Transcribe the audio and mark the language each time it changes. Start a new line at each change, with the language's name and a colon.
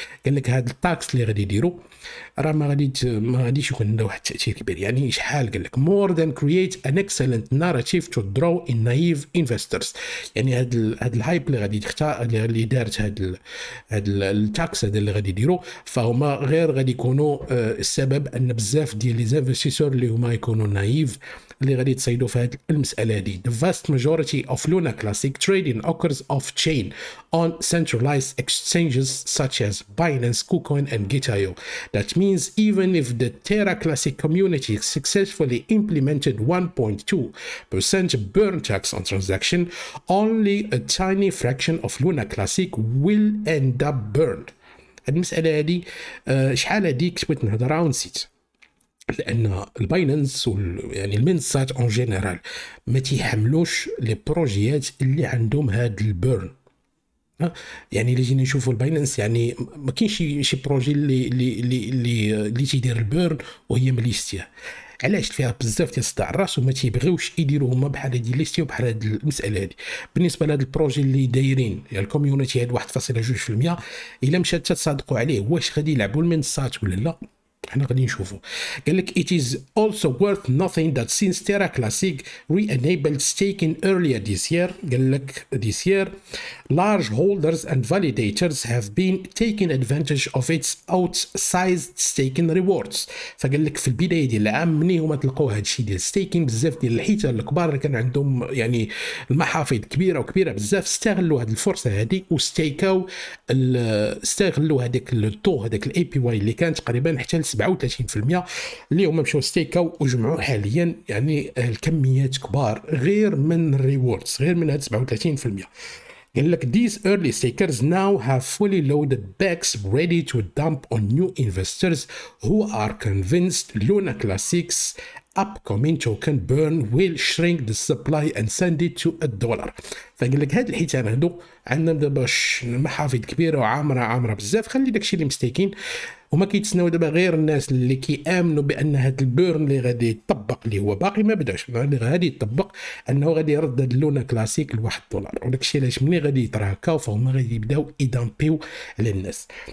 Arabic: قال لك هذا التاكس اللي غادي يديروا راه ما غاديش يكون عنده واحد التاثير كبير، يعني شحال قال لك
English: More than create an excellent narrative to draw in naive investors.
Arabic: يعني هذا الهايب اللي غادي اللي دارت هذا التاكس هذا اللي غادي يديروا فهما غير غادي يكونوا السبب ان بزاف ديال لي زانفستيسور اللي هما يكونوا نايف اللي غادي يتصيدوا في هذه المساله هذه.
English: The vast majority of Luna Classic trading occurs off chain on centralized exchanges such as Binance, KuCoin and Gitayo. That means even if the Terra Classic community successfully implemented 1.2% burn tax on transaction, only a tiny fraction of Luna Classic will end up burned.
Arabic: المساله هذه شحال هذه كتبت نهضر عن سيت لان الباينانس يعني المنصات اون جينيرال ما تيحملوش لي بروجيات اللي عندهم هاد البيرن. يعني اللي جينا نشوفوا الباينانس يعني ما كاينش شي بروجي اللي تيدير البيرن وهي مليستيا. علاش فيها بزاف ديال الصداع الراس وما تيبغيوش يديروا هما بحال هادي ليستي وبحال هاد المساله هادي. بالنسبه لهاد البروجي اللي دايرين يعني الكوميونيتي هاد 1.2% الا مشات تصادقوا عليه واش غادي يلعبوا المنصات ولا لا حنا غادي نشوفوا. قال لك
English: it is also worth nothing that since Terra Classic re-enabled staking earlier this year
Arabic: قال لك
English: this year large holders and validators have been taking advantage of its outsized staking rewards.
Arabic: فقال لك في البداية ديال العام مني هما تلقوا هادشي ديال staking بزاف ديال الحيتر الكبار اللي كان عندهم يعني المحافظ كبيرة وكبيرة بزاف استغلوا هاد الفرصة هادي وستيكوا استغلوا هاديك الطو هاديك الاي بي واي اللي كانت تقريبا حتى 37% اللي هما مشاو ستيكاو وجمعوا حاليا يعني الكميات كبار غير من الريوردز غير من هاد 37%. قال لك
English: these early stakers now have fully loaded bags ready to dump on new investors who are convinced Luna Classic's upcoming token burn will shrink the supply and send it to a dollar.
Arabic: فقال لك هاد الحيتان هادو عندنا دابا محافظ كبيره وعامره بزاف خلي داكشي اللي مستيكين وما كيتسناو دابا غير الناس اللي كيامنوا بان هاد البيرن اللي غادي يطبق اللي هو باقي ما بداش اللي غادي يطبق انه غادي يرد هاد اللونه كلاسيك لواحد الدولار وداكشي علاش ملي غادي يطرا هكا فهم غادي يبداو يدامبيو على الناس.